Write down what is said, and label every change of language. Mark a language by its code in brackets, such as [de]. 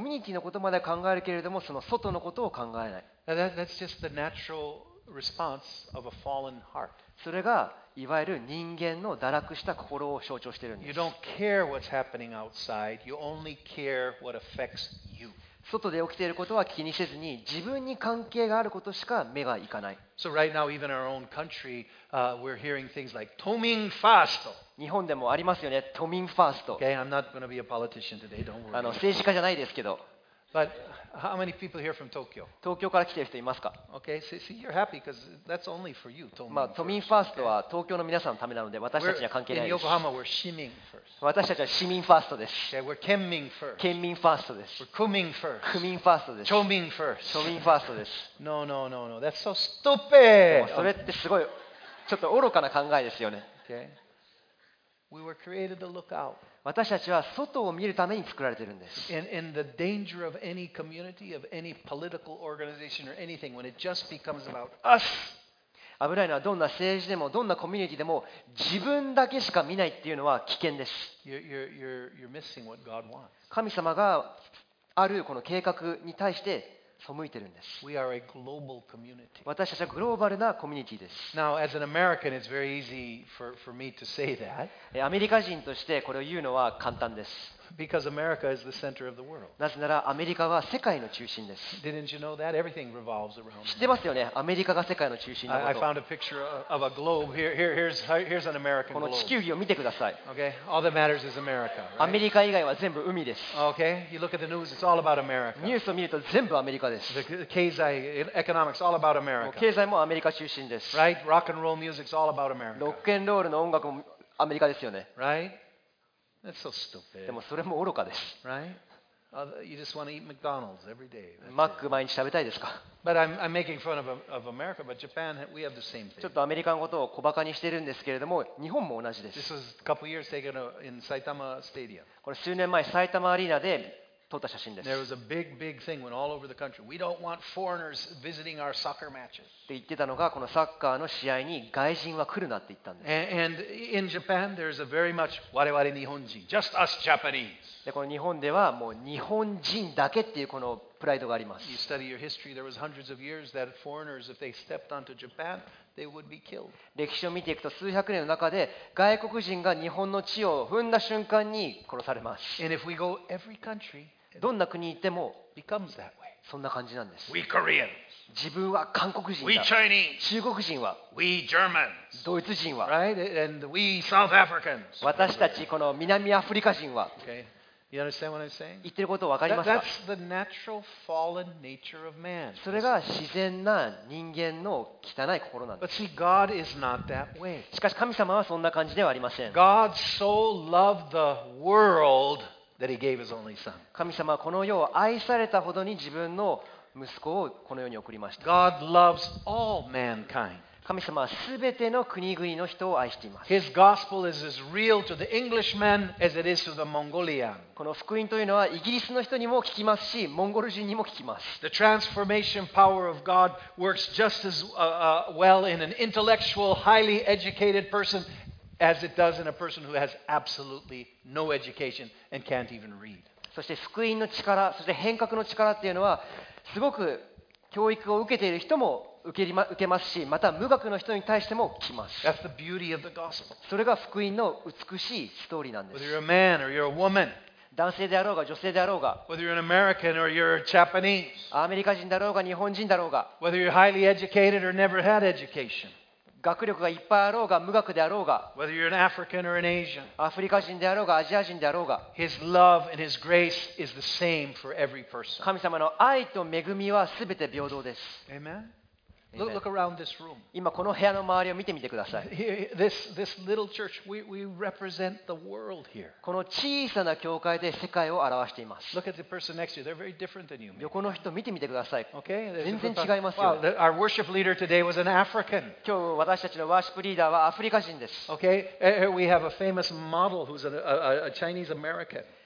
[ja] ミュニティのことまで考えるけれども、その外のことを考えない。 [en] That's just the natural response of a fallen heart. [ja] それがいわゆる人間の堕落した心を象徴しているんです。 [en] You don't care what's happening outside. You only care what affects you. [ja] 外で起きていることは気にせずに自分に関係があることしか目がいかない。 [en] So right now, even our own country, we're hearing things like [ja] 都民ファースト。日本でもありますよね、都民ファースト。 [en] Okay, I'm not going to be a politician today. Don't worry. [ja] 政治家じゃないですけど。 [en] But how many people here from Tokyo? [ja] 東京から来ている人いますか [en] ？Okay, see, you're happy because that's only for you. [ja] 都民。まあ都民ファーストは東京の皆さんのためなので私たちには関係ないです。 [en] In Yokohama, we're 市民 first. [ja] 私たちは市民ファーストです。 [en] Okay, we're 県民 first. [ja] 県民ファーストです。 [en] We're 区民 first. [ja] 区民ファーストです。 [en] 町民 first. [ja] 町民ファーストです。 [en] No. That's so stupid. [ja] でもそれってすごいちょっと愚かな考えですよね。 [en] Okay. We were created to look out. [ja] 私たちは外を見るために作られているんです。 [en] And the danger of any community, of any political organization or anything, when it just becomes about us. [ja] 危ないのはどんな政治でもどんなコミュニティでも自分だけしか見ないっていうのは危険です。 [en] You're missing what God wants. [ja] 神様があるこの計画に対して背いてるんです。 [en] We are a global community. [ja] 私たちはグローバルなコミュニティです。 [en] Now, as an American, it's very easy for me to say that. [ja] アメリカ人としてこれを言うのは簡単です。 [en] Because America is the center of the world. [ja] なぜならアメリカは世界の中心です。 [en] Didn't you know that? Everything revolves around. [ja] 知ってますよね。アメリカが世界の中心のこと。 [en] I found a picture of a globe. Here's an American globe. [ja] この地球儀を見てください。 [en] Okay. All that matters is America. [ja] アメリカ以外は全部海です。 [en] Okay. You look at the news. It's all about America. [ja] ニュースを見ると全部アメリカです。 [en] The 経済、economics, all about America. [ja] 経済もアメリカ中心です。 [en] Right. Rock and roll music's all about America. [ja] ロックンロールの音楽もアメリカですよね。 [en] Right.That's so stupid. [ja] でもそれも愚かです。 [en] Right? You just want to eat McDonald's every day. [ja] マック毎日食べたいですか？ [en] But I'm making fun of America, but Japan, we have the same thing. [ja] ちょっとアメリカのことを小バカにしてるんですけれども、日本も同じです。 [en] This was a couple years taken in Saitama Stadium. [ja] これ数年前、埼玉アリーナで撮った写真です。 [en] There was a big, big thing when all over the country. We don't want foreigners visiting our soccer matches. [ja] って言ってたのが、このサッカーの試合に外人は来るなって言ったんです。 [en] And in Japan, there's a very much [ja] 我々日本人、 [en] just us Japanese. [ja] でこの日本ではもう日本人だけっていうこのプライドがあります。 [en] You study your history, there was hundreds of years that foreigners, if they stepped onto Japan, they would be killed. [ja] 歴史を見ていくと数百年の中で外国人が日本の地を踏んだ瞬間に殺されます。 [en] And if we go every country, [ja] どんな国に行っても [en] becomes that way. [ja] そんな感じなんです。 [en] We Koreans. [ja] 自分は韓国人だ。 [en] We Chinese. [ja] 中国人は。 [en] We Germans. [ja] ドイツ人は。 [en] Right? And we South Africans. [ja] 私たちこの南アフリカ人は。 [en] Okay. You understand what I'm saying? [ja] 言ってることわかりますか？ [en] That's the natural fallen nature of man. [ja] それが自然な人間の汚い心なんです。 [en] But see, God is not that way. [ja] しかし神様はそんな感じではありません。 [en] God so loved the world that he gave his only son. [ja] 神様はこの世を愛されたほどに自分の息子をこの世に送りました。 [en] God loves all mankind. [ja] 神様はすべての国々の人を愛しています。 [en] His gospel is as real to the Englishman as it is to the Mongolian. [ja] この福音というのはイギリスの人にも聞きますし、モンゴル人にも聞きます。 [en] The transformation power of God works just as well in an intellectual, highly educated person as it does in a person who has absolutely no education and can't even read. [ja] そして福音の力、そして変革の力っていうのはすごく教育を受けている人も受けますし、また無学の人に対しても来ます。 [en] That's the beauty of the gospel. [ja] それが福音の美しいストーリーなんです。 [en] Whether you're a man or you're a woman, [ja] 男性であろうが女性であろうが、 [en] Whether you're an American or you're a Japanese, [ja] アメリカ人だろうが日本人だろうが、 [en] Whether you're highly educated or never had education, [ja] 学力がいっぱいあろうが無学であろうが、 [en] Whether you're an African or an Asian, [ja] アフリカ人であろうがアジア人であろうが、 [en] His love and His grace is the same for every person. [ja] 神様の愛と恵みはすべて平等です。 [en] Amen? Look around this room. [ja] 今この部屋の周りを見てみてください。 [en] This little church, we represent the world here. [ja] この小さな教会で世界を表しています。 [en] Look at the person next to you. They're very different than you. [ja] 横の人見てみてください。 [en] Okay. [ja] 全然違いますよ。 [en] Wow. Our worship leader today was an African. [ja] 今日私たちのワーシップリーダーはアフリカ人です。 [en] Okay. We have a famous model who's a Chinese American.